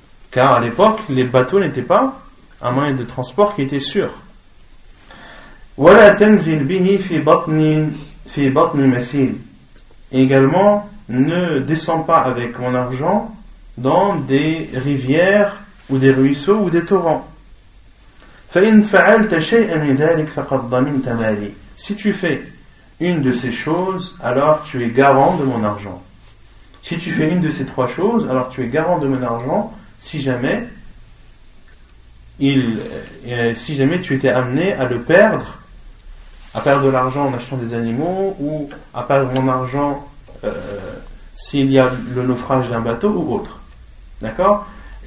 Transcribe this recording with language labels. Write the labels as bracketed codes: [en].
[fr] Car à l'époque, les bateaux n'étaient pas un moyen de transport qui était sûr. [ar] ولا تنزل به في بطن مسيل. [fr] Également, ne descends pas avec mon argent dans des rivières ou des ruisseaux ou des torrents. [ar] فإن فعلت شيئا من ذلك فقد ضمنت مالي. [fr] Si tu fais une de ces choses, alors tu es garant de mon argent. Si tu fais une de ces trois choses, alors tu es garant de mon argent si jamais tu étais amené à le perdre, à perdre de l'argent en achetant des animaux, ou à perdre mon argent s'il y a le naufrage d'un bateau ou autre. D'accord ?